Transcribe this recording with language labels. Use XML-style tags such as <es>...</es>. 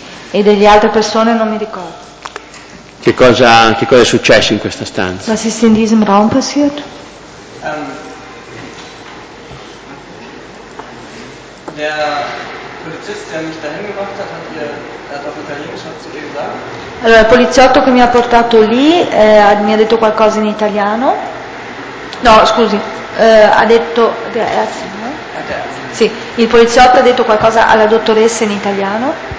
<it>E delle altre persone non mi ricordo. Che cosa è successo in questa stanza?</it> <de>Was ist in diesem Raum passiert? Der Polizist, der mich dahin gebracht hat, hat auf Italienisch zu dir gesagt?</de> <it>Allora, il poliziotto che mi ha portato lì mi ha detto qualcosa in italiano. No, scusi, ha detto. No? Sì, il poliziotto ha detto qualcosa alla dottoressa in italiano.</it>